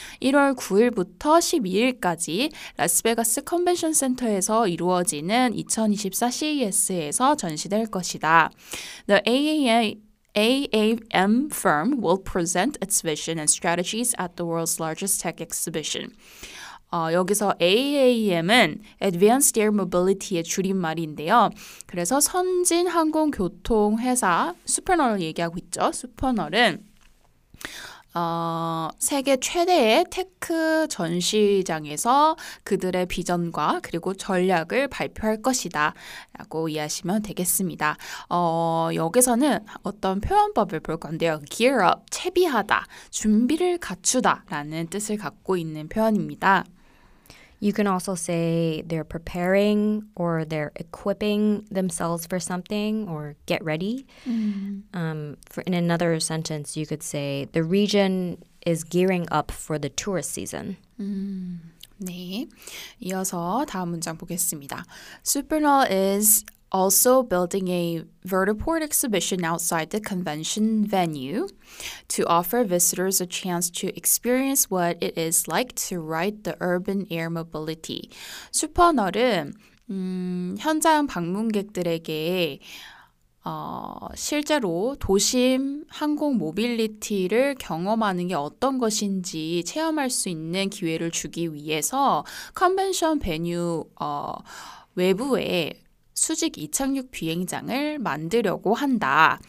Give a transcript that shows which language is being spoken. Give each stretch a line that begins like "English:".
Korean: 1월 9일부터 12일까지 라스베가스 컨벤션 센터에서 이루어지는 2024 CES에서 전시될 것이다.
English: The AAA AAM firm will present its vision and strategies at the world's largest tech exhibition.
Korean: 여기서 AAM은 Advanced Air Mobility의 줄임말인데요. 그래서 선진 항공 교통 회사 Supernal을 얘기하고 있죠. Supernal은 세계 최대의 테크 전시장에서 그들의 비전과 그리고 전략을 발표할 것이다 라고 이해하시면 되겠습니다. 여기서는 어떤 표현법을 볼 건데요. Gear up, 채비하다, 준비를 갖추다 라는 뜻을 갖고 있는 표현입니다.
English: You can also say they're preparing or they're equipping themselves for something or get ready. In another sentence, you could say the region is gearing up for the tourist season.
Korean: 네, 이어서 다음 문장 보겠습니다.
English: Supernal is also building a vertiport exhibition outside the convention venue to offer visitors a chance to experience what it is like to ride the urban air mobility.
Korean: Supernal은 현장 방문객들에게 실제로 도심 항공 모빌리티를 경험하는 게 어떤 것인지 체험할 수 있는 기회를 주기 위해서 컨벤션 베뉴 외부에 수직 이착륙 비행장을 만들려고 한다.